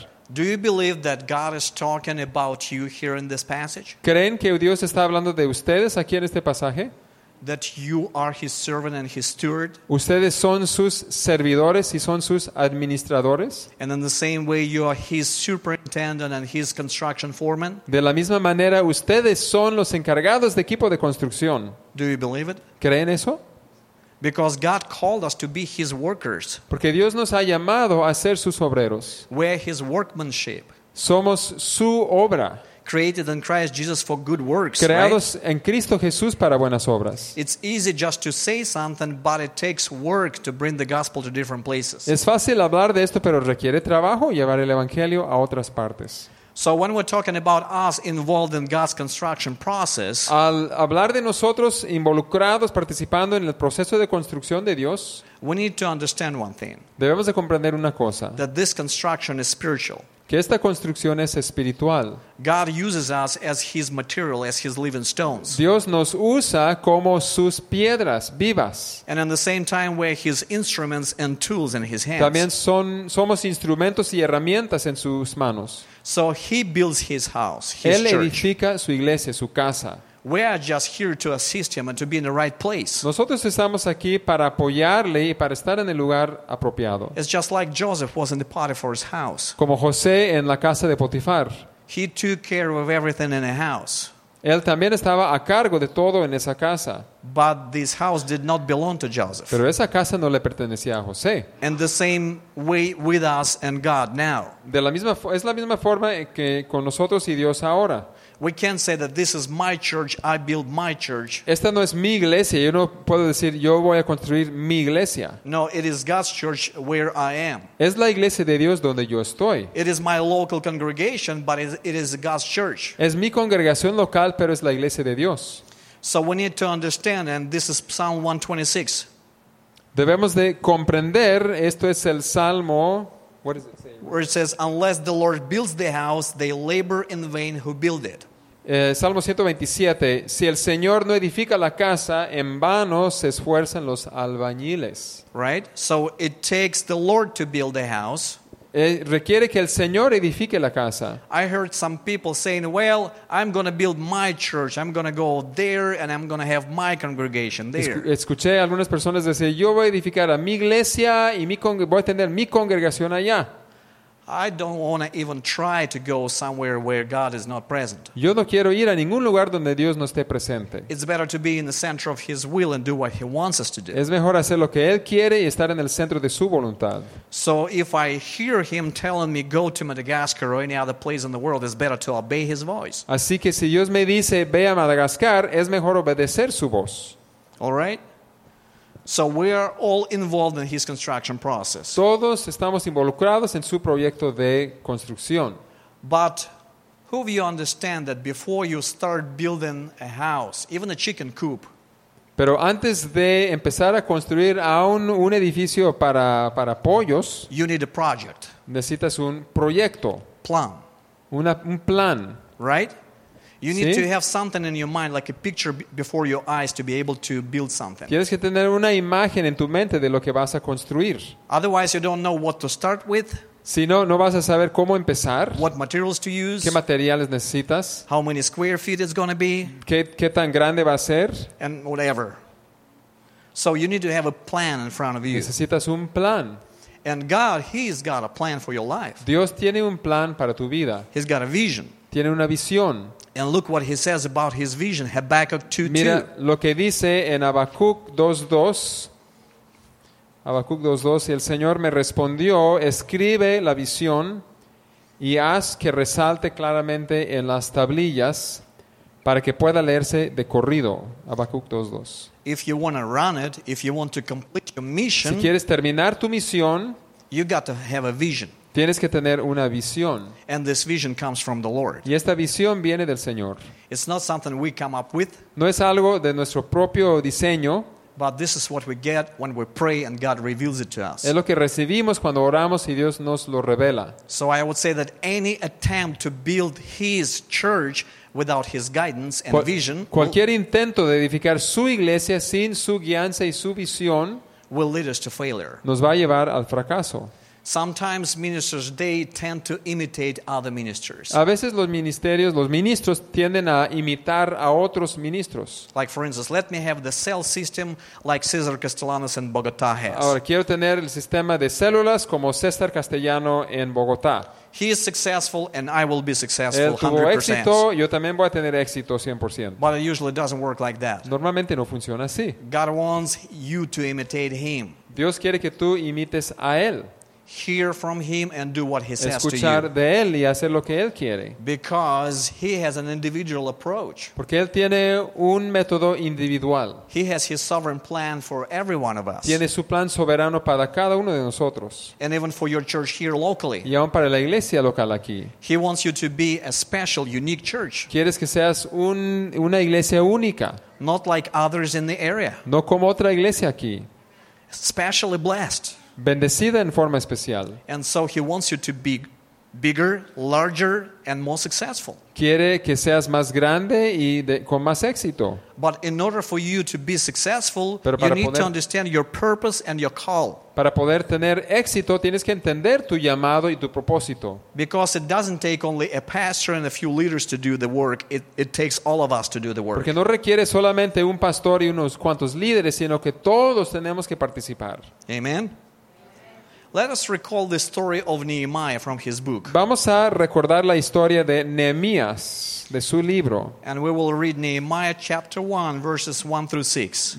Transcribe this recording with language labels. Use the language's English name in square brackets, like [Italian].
[English] Do you believe that God is talking about you here in this passage? [Spanish] ¿Creen que Dios está hablando de ustedes aquí en este pasaje? [English] That you are His servant and His steward. [Spanish] Ustedes son sus servidores y son sus administradores. [English] And in the same way, you are His superintendent and His construction foreman. [Spanish] De la misma manera, ustedes son los encargados de equipo de construcción. [English] Do you believe it? [Spanish] ¿Creen eso? [English] Because God called us to be His workers. [Spanish] Porque Dios nos ha llamado a ser sus obreros. [English] We're His workmanship. [Spanish] Somos su obra. [English] Created in Christ Jesus for good works. [Spanish] Creados [English] right? [Spanish] en Cristo Jesús para buenas obras. [English] It's easy just to say something, but it takes work to bring the gospel to different places. [Spanish] Es fácil hablar de esto, pero requiere trabajo llevar el evangelio a otras partes. [English] So when we're talking about us involved in God's construction process, [Spanish] al hablar de nosotros involucrados participando en el proceso de construcción de Dios, [English] we need to understand one thing. [Spanish] Debemos de comprender una cosa. [English] That this construction is spiritual. [Spanish] Que esta construcción es espiritual. [English] God uses us as His material, as His living stones. [Spanish] Dios nos usa como sus piedras vivas. [English] And in the same time, we're His instruments and tools in His hands. [Spanish] También somos instrumentos y herramientas en sus manos. [English] So He builds His house, His [Spanish] Él edifica [English] church. [Spanish] Su iglesia, su casa. [English] We are just here to assist Him and to be in the right place. [Spanish] Nosotros estamos aquí para apoyarle y para estar en el lugar apropiado. [English] It's just like Joseph was in the Potiphar's house. [Spanish] Como José en la casa de Potifar. [English] He took care of everything in the house. [Spanish] Él también estaba a cargo de todo en esa casa. [English] But this house did not belong to Joseph. [Spanish] Pero esa casa no le pertenecía a José. [English] And the same way with us and God now. [Spanish] Es la misma forma que con nosotros y Dios ahora. [English] We can't say that this is my church, I build my church. [Spanish] Esta no es mi iglesia, yo no puedo decir yo voy a construir mi iglesia. [English] No, it is God's church where I am. [Spanish] Es la iglesia de Dios donde yo estoy. [English] It is my local congregation, but it is God's church. [Spanish] Es mi congregación local, pero es la iglesia de Dios. [English] So we need to understand, and this is Psalm 126. [Spanish] Debemos de comprender, esto es el Salmo... [English] What does it say? Where it says, unless the Lord builds the house, they labor in vain who build it. [Spanish] Salmo 127, si el Señor no edifica la casa, en vano se esfuerzan los albañiles. [English] Right? So it takes the Lord to build the house. [Spanish] Requiere que el Señor edifique la casa. [English] I heard some people saying, well, I'm going to build my church. I'm going to go there and I'm going to have my congregation there. [Spanish] Escuché algunas personas decir, yo voy a edificar a mi iglesia y voy a tener mi congregación allá. [English] I don't want to even try to go somewhere where God is not present. [Spanish] Yo no quiero ir a ningún lugar donde Dios no esté presente. [English] It's better to be in the center of His will and do what He wants us to do. [Spanish] Es mejor hacer lo que Él quiere y estar en el centro de su voluntad. [English] So if I hear Him telling me go to Madagascar or any other place in the world, it's better to obey His voice. [Spanish] Así que si Dios me dice ve a Madagascar, es mejor obedecer su voz. [English] All right? So we are all involved in His construction process. [Spanish] Todos estamos involucrados en su proyecto de construcción. [English] But who of you understand that before you start building a house, even a chicken coop? [Spanish] Pero antes de empezar a construir aún un edificio para pollos, [English] you need a project. [Spanish] Necesitas un proyecto. [English] Plan. [Spanish] Un plan. [English] Right? You need to have something in your mind, like a picture before your eyes, to be able to build something. [Spanish] Tienes que tener una imagen en tu mente de lo que vas a construir. [English] Otherwise, you don't know what to start with. [Spanish] Si no, no vas a saber cómo empezar. [English] What materials to use? [Spanish] ¿Qué materiales necesitas? [English] How many square feet it's going to be? [Spanish] ¿Qué tan grande va a ser? [English] And whatever. So you need to have a plan in front of you. [Spanish] Necesitas un plan. [English] And God, He's got a plan for your life. [Spanish] Dios tiene un plan para tu vida. [English] He's got a vision. [Spanish] Tiene una visión. [English] And look what he says about his vision, Habakkuk 2:2. [Spanish] Mira lo que dice en Habacuc 2:2, y el Señor me respondió, escribe la visión y haz que resalte claramente en las tablillas para que pueda leerse de corrido. Habacuc 2:2. [English] If you want to run it, if you want to complete your mission, [Spanish] si quieres terminar tu misión, [English] you got to have a vision. [Spanish] Tienes que tener una visión. [English] And this vision comes from the Lord. [Spanish] Y esta visión viene del Señor. [English] It's not something we come up with. [Spanish] No es algo de nuestro propio diseño. [English] But this is what we get when we pray and God reveals it to us. [Spanish] Es lo que recibimos cuando oramos y Dios nos lo revela. [English] So I would say that any attempt to build His church without His guidance and vision, [Spanish] cualquier intento de edificar su iglesia sin su guianza y su visión, [English] will lead us to failure. [Spanish] Nos va a llevar al fracaso. [English] Sometimes ministers, they tend to imitate other ministers. [Spanish] A veces los ministerios, los ministros tienden a imitar a otros ministros. [English] Like for instance, let me have the cell system like Cesar Castellanos in Bogotá has. [Spanish] Ahora quiero tener el sistema de células como César Castellano en Bogotá. [English] He is successful and I will be successful 100%. [Spanish] Tuvo éxito, yo también voy a tener éxito 100%. [English] But it usually doesn't work like that. [Spanish] Normalmente no funciona así. [English] God wants you to imitate Him. [Spanish] Dios quiere que tú imites a Él. [English] Hear from him and do what he says [Spanish] escuchar [English] to you. [Spanish] De él y hacer lo que él quiere. [English] Because he has an individual approach. [Spanish] Porque él tiene un método individual. [English] He has his sovereign plan for every one of us. [Spanish] Tiene su plan soberano para cada uno de nosotros. [English] And even for your church here locally. [Spanish] Y aún para la iglesia local aquí. [English] He wants you to be a special, unique church. [Spanish] Quieres que seas una iglesia única. [English] Not like others in the area. [Spanish] No como otra iglesia aquí. [English] Specially blessed. [Spanish] Bendecida en forma especial. [English] And so he wants you to be bigger, larger, and more successful. [Spanish] Quiere que seas más grande y con más éxito. [English] But in order for you to be successful, you need to understand your purpose and your call. [Spanish] Para poder tener éxito, tienes que entender tu llamado y tu propósito. [English] Because it doesn't take only a pastor and a few leaders to do the work. It takes all of us to do the work. [Spanish] Porque no requiere solamente un pastor y unos cuantos líderes, sino que todos tenemos que participar. [English] Amen. Let us recall the story of Nehemiah from his book. [Spanish] Vamos a recordar la historia de Nehemías, de su libro. [English] And we will read Nehemiah chapter 1, verses 1 through 6.